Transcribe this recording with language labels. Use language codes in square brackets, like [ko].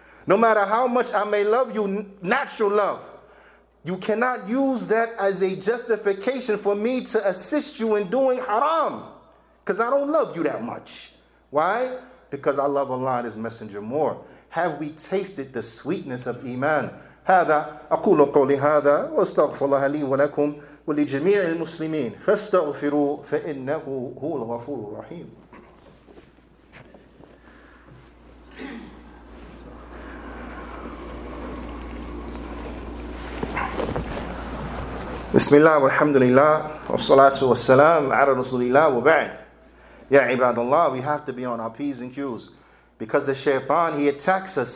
[en] No matter how much I may love you, natural love, you cannot use that as a justification for me to assist you in doing haram. Because I don't love you that much. Why? Because I love Allah and His Messenger more. Have we tasted the sweetness of Iman? [ar] هذا أقول قولي هذا وأستغفر الله لي ولكم ولجميع المسلمين فاستغفروا فإنه هو الغفور الرحيم. بسم الله والحمد لله والصلاة والسلام على رسول الله وبعد. [en] Ya ibadallah, we have to be on our P's and Q's. Because the shaitan, he attacks us.